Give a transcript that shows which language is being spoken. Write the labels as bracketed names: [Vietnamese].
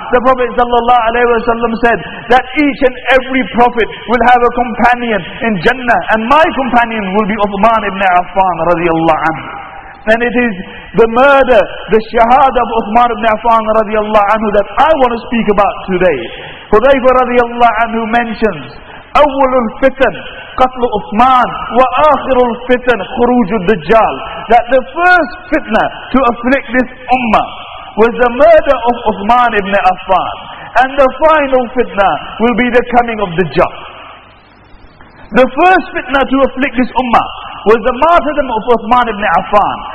[English] The Prophet sallallahu alayhi wa sallam said that each and every Prophet will have a companion in Jannah, and my companion will be Uthman ibn Affan radiallahu anhu. And it is the murder, the shahada of Uthman ibn Affan radiallahu anhu that I want to speak about today. Hudhayfa radiallahu anhu mentions, [Arabic] أول الفتن قتل عثمان وآخر الفتن خروج الدجال. [English] That the first fitna to afflict this ummah was the murder of Uthman ibn Affan. And the final fitna will be the coming of Dajjal. The first fitna to afflict this ummah was the martyrdom of Uthman ibn Affan.